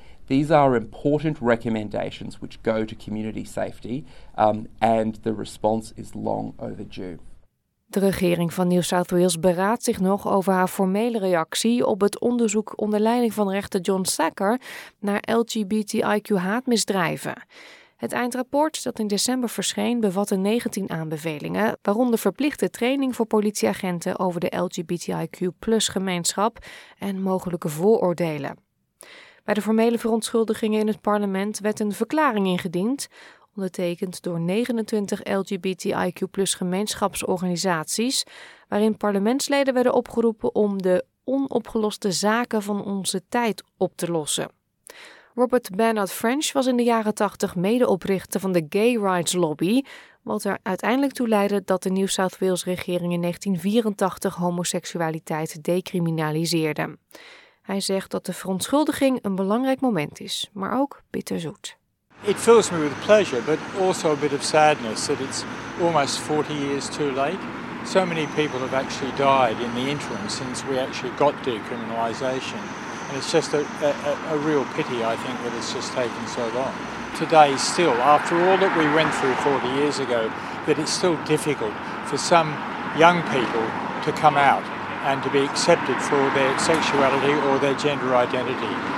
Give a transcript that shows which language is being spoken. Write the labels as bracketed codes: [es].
[en] These are important recommendations which go to community safety, and the response is long overdue. [nl] De regering van New South Wales beraadt zich nog over haar formele reactie op het onderzoek onder leiding van rechter John Sacker naar LGBTIQ haatmisdrijven. Het eindrapport dat in december verscheen bevatte 19 aanbevelingen, waaronder verplichte training voor politieagenten over de LGBTIQ+ gemeenschap en mogelijke vooroordelen. Bij de formele verontschuldigingen in het parlement werd een verklaring ingediend, ondertekend door 29 LGBTIQ+ gemeenschapsorganisaties, waarin parlementsleden werden opgeroepen om de onopgeloste zaken van onze tijd op te lossen. Robert Bernard French was in de jaren 80 medeoprichter van de Gay Rights Lobby, wat er uiteindelijk toe leidde dat de New South Wales regering in 1984 homoseksualiteit decriminaliseerde. Hij zegt dat de verontschuldiging een belangrijk moment is, maar ook bitterzoet. [en] It fills me with pleasure, but also a bit of sadness that it's almost 40 years too late. So many people have actually died in the interim since we actually got decriminalisation. And it's just a real pity, I think, that it's just taken so long. Today, still, after all that we went through 40 years ago, that it's still difficult for some young people to come out and to be accepted for their sexuality or their gender identity.